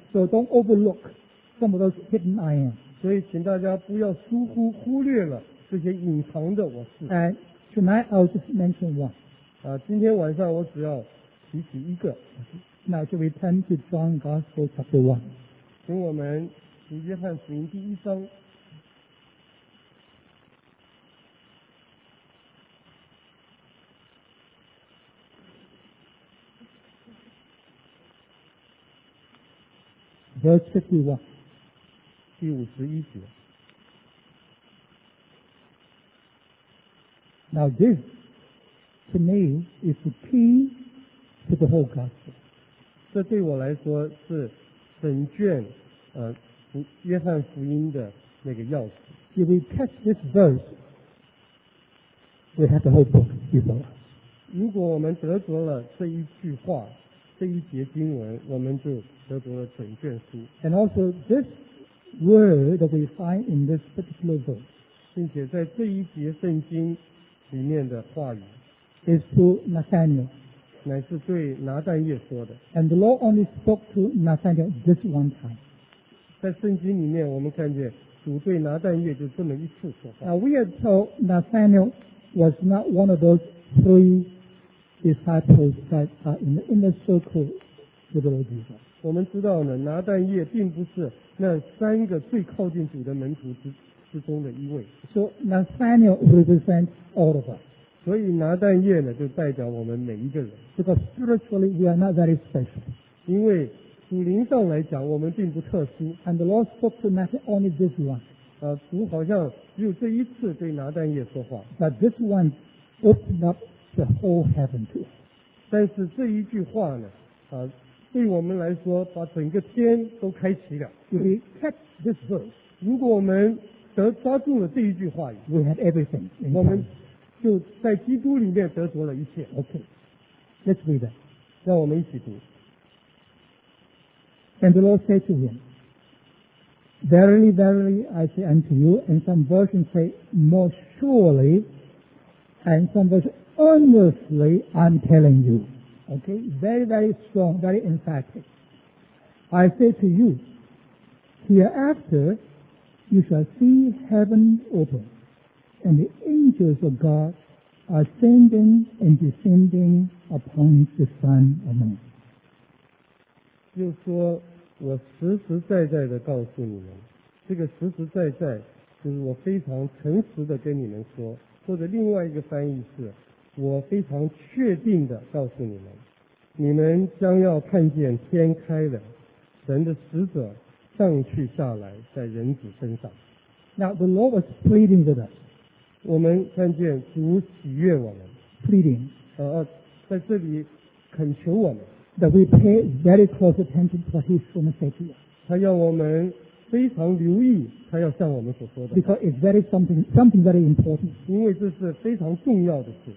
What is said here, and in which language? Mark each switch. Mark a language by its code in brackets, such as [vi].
[en] So don't overlook some of those hidden I am [zh] 所以请大家不要疏忽忽略了这些隐藏的我是 [en] And tonight I'll just mention one [zh] 今天晚上我只要提起一个 [en] Now shall we turn to John Gospel chapter 1 [zh] 请我们读约翰福音第一章 [en] Verse 51 [zh] 第五十一节 [en] Now this to me is the key to the whole gospel [zh] 这对我来说是整卷约翰福音的那个钥匙 [en] If we catch this verse we have the whole book before us [zh] 如果我们得着了这一句话这一节经文我们就得着了整卷书 [en] And also thisword that we find in this particular verse [zh] 并且在这一节圣经里面的话语 [en] is to Nathaniel [zh] 乃是对拿但业说的 [en] and the Lord only spoke to Nathaniel this one time [zh] 在圣经里面我们看见主对拿但业就这么一次说话 [en] Now we are told Nathaniel was not one of those three disciples that are in the inner circle with the Lord Jesus [zh] 我们知道呢拿但业并不是那三个最靠近主的门徒 之中的一位 [en] So Nathaniel represents all of us [zh] 所以拿但业呢就代表我们每一个人 [en] Because spiritually we are not very special [zh] 因为属灵上来讲我们并不特殊 [en] And the Lord spoke to Nathaniel only this one [zh] 主好像只有这一次对拿但业说话 [en] But this one opened up the whole heaven to us [zh] 但是这一句话呢对我们来说把整个天都开启了 [en] If we catch this verse [zh] 如果我们得抓住了这一句话语 [en] We have everything [zh] 我们就在基督里面得着了一切 [en] OK Let's read that [zh] 让我们一起读 [en] And the Lord said to him Verily, verily, I say unto you And some versions say More surely And some versions Earnestly, I'm telling youOkay, very, very strong, very emphatic. I say to you, hereafter you shall see heaven open, and the angels of God are ascending and descending upon the Son of Man. [zh] 就说我实实在在的告诉你们，这个实实在在就是我非常诚实的跟你们说，或者另外一个翻译是，我非常确定的告诉你们。你们将要看见天开了，神的使者上去下来在人子身上。 [en] Now the Lord was pleading with us. [zh] 我们看见主喜悦我们。 [en] Pleading. [zh] 在这里恳求我们。 [en] That we pay very close attention to what he's going to say to us. [zh] 他要我们非常留意他要向我们所说的。 [en] Because it's very something very important. [zh] 因为这是非常重要的事。